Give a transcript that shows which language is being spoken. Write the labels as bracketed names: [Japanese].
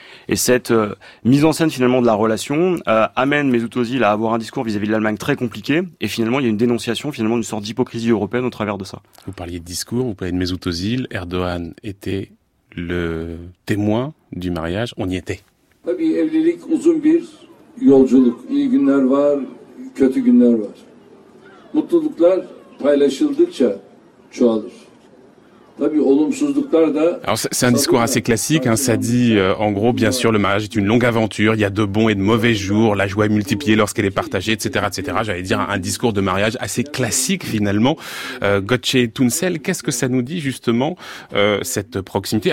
[French] Et cette mise en scène finalement de la relation amène Mesut Özil à avoir un discours vis-à-vis de l'Allemagne très compliqué, et finalement il y a une dénonciation finalement d'une sorte d'hypocrisie européenne au travers de ça. Vous parliez de discours, vous parliez de Mesut Özil, Erdogan était le témoin du mariage, on y était. [Turkish] Tabii evlilik uzun bir yolculuk. İyi günler var, kötü günler var. Mutluluklar paylaşıldıkça çoğalır. [French] Alors c'est un discours assez classique, hein. Ça dit en gros, bien sûr, le mariage est une longue aventure, il y a de bons et de mauvais jours, la joie est multipliée lorsqu'elle est partagée, etc. etc. J'allais dire un discours de mariage assez classique finalement. Gökçe Tunçel, qu'est-ce que ça nous dit justement cette proximité?